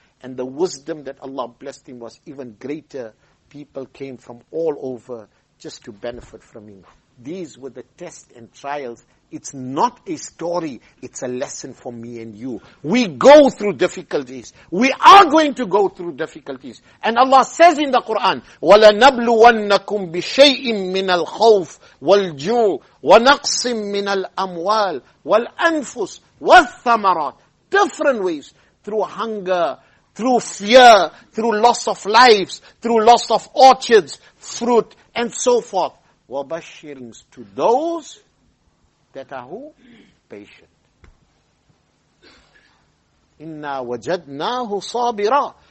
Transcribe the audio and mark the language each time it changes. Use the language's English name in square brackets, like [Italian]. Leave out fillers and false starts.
[English] And the wisdom that Allah blessed him was even greater. People came from all over just to benefit from him. These were the tests and trials. It's not a story. It's a lesson for me and you. We go through difficulties. We are going to go through difficulties. [Arabic] And Allah says in the Quran, وَلَنَبْلُوَنَّكُمْ بِشَيْءٍ مِّنَ الْخَوْفِ وَالْجُوعِ وَنَقْصٍ مِّنَ الْأَمْوَالِ وَالْأَنفُسِ وَالثَّمَرَاتِ. [English] Different ways. Through hunger, through fear, through loss of lives, through loss of orchards, fruit, and so forth. [Arabic] وَبَشِّرِينَ [English] to those that are who? Patient. [Arabic] إِنَّا وَجَدْنَاهُ صَابِرًا.